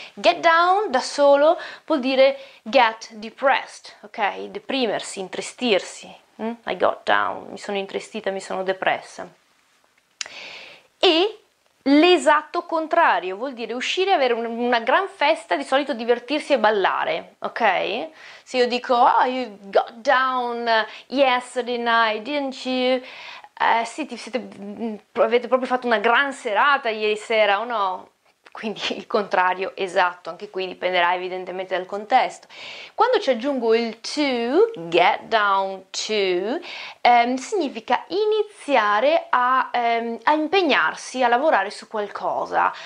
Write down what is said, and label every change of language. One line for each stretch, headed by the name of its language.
Italian: Get down da solo vuol dire
English: get depressed,
Italian: ok? Deprimersi, intristirsi.
English: I got down,
Italian: mi sono intristita, mi sono depressa. E l'esatto contrario vuol dire uscire, avere una gran festa, di solito divertirsi e ballare, ok?
English: Se io dico, oh, you got down yesterday night, didn't you?
Italian: Sì, avete proprio fatto una gran serata ieri sera o no? Quindi il contrario esatto, anche qui dipenderà evidentemente dal contesto. Quando ci aggiungo il to, get down to, significa iniziare a impegnarsi, a lavorare su qualcosa.